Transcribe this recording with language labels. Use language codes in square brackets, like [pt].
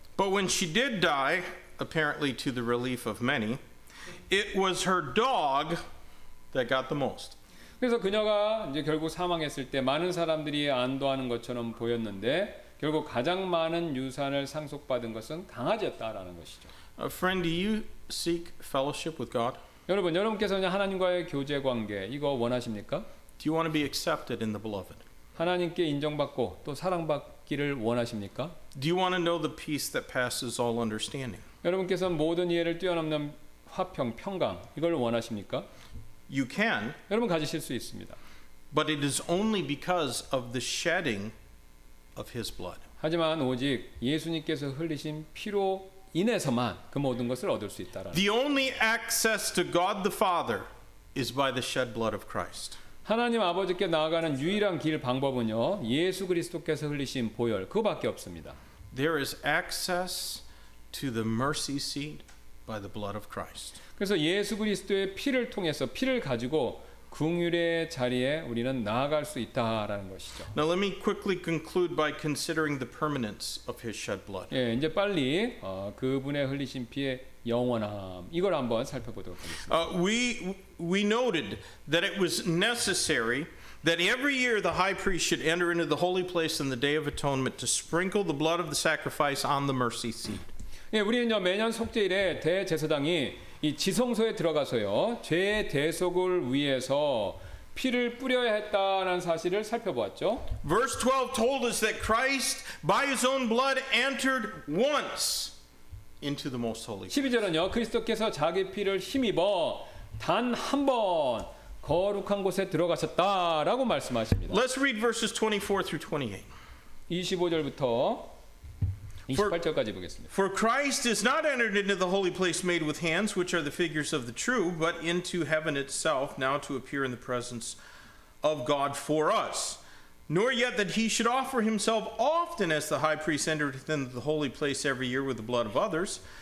[en] But when she did die, apparently to the relief of many, it was her dog that got the most. [ko] 그래서 그녀가 이제 결국 사망했을 때 많은 사람들이 안도하는 것처럼 보였는데 결국 가장 많은 유산을 상속받은 것은 강아지였다라는 것이죠. [en] A friend, do you seek fellowship with God? [ko] 여러분, 여러분께서는 하나님과의 교제 관계 이거 원하십니까? [en] Do you want to be accepted in the beloved? [ko] 하나님께 인정받고 또 사랑받기를 원하십니까? [en] Do you want to know the peace that passes all understanding? [ko] 여러분께서는 모든 이해를 뛰어넘는 화평, 평강 이걸 원하십니까? [en] You can. [ko] 여러분 가지실 수 있습니다. [en] But it is only because of the shedding of His blood. [ko] 하지만 오직 예수님께서 흘리신 피로 인해서만 그 모든 것을 얻을 수 있다라는. [en] The only access to God the Father is by the shed blood of Christ. [ko] 하나님 아버지께 나아가는 유일한 길 방법은요 예수 그리스도께서 흘리신 보혈 그밖에 없습니다. [en] There is access to the mercy seat by the blood of Christ. [ko] 그래서 예수 그리스도의 피를 통해서 피를 가지고 긍휼의 자리에 우리는 나아갈 수 있다라는 것이죠. [en] Now let me quickly conclude by considering the permanence of His shed blood. [ko] 예, 이제 빨리 그분의 흘리신 피의 영원함 이걸 한번 살펴보도록 하겠습니다. [en] We noted that it was necessary that every year the high priest should enter into the holy place in the day of atonement to sprinkle the blood of the sacrifice on the mercy seat. [ko] 예, 우리는요 매년 속죄일에 대제사장이 이 지성소에 들어가서요 죄의 대속을 위해서 피를 뿌려야 했다는 사실을 살펴보았죠. [en] Verse 12 told us that Christ by His own blood entered once into the most holy. [ko] 12절은요 그리스도께서 자기 피를 힘입어 단 한 번 거룩한 곳에 들어가셨다라고 말씀하십니다. [en] Let's read verses 24 through 28. [ko] 25절부터 28절까지 보겠습니다. [en] For Christ is not entered into the holy place made with hands, which are the figures of the true, but into heaven itself, now to appear in the presence of God for us. Nor yet that he should offer himself often as the high priest entered into the holy place every year with the blood of others.